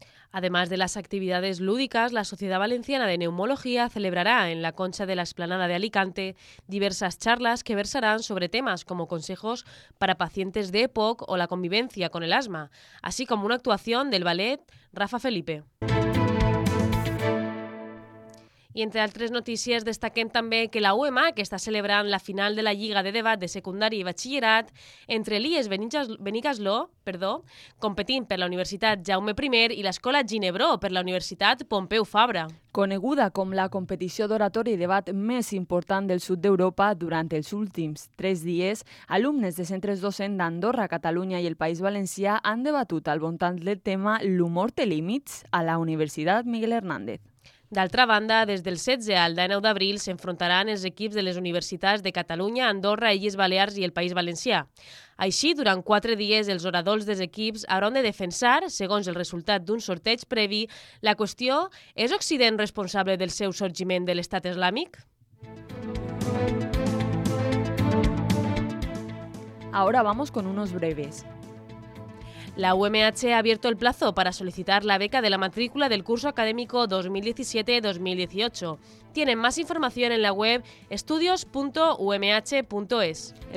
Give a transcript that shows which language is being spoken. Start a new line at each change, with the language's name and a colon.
Spanish: Además de las actividades lúdicas, la Sociedad Valenciana de Neumología celebrará en la Concha de la Explanada de Alicante diversas charlas que versarán sobre temas como consejos para pacientes de EPOC o la convivencia con el asma, así como una actuación del ballet Rafa Felipe.
Catalan: Y entre altres notícies, destaquem també que la UMA, que està celebrant la final de la Lliga de Debat de Secundària i Batxillerat entre l'IES Benicasló, competint per la Universitat Jaume I i l'Escola Ginebró per la Universitat Pompeu Fabra. Coneguda com la competició d'oratori i debat més important del sud d'Europa durant els últims 3 dies, alumnes de centres docents d'Andorra, Catalunya i el País Valencià han debatut al voltant del tema L'humor té límits a la Universitat Miguel Hernández. D'altra banda, des del 16 al 19 d'abril s'enfrontaran els equips de les universitats de Catalunya, Andorra, Illes Balears i el País Valencià. Així, durant 4 dies, els oradors dels equips hauran de defensar, segons el resultat d'un sorteig previ, la qüestió: és Occident responsable del seu sorgiment de l'Estat Islàmic?
Spanish: Ahora vamos con unos breves. La UMH ha abierto el plazo para solicitar la beca de la matrícula del curso académico 2017-2018. Tienen más información en la web estudios.umh.es.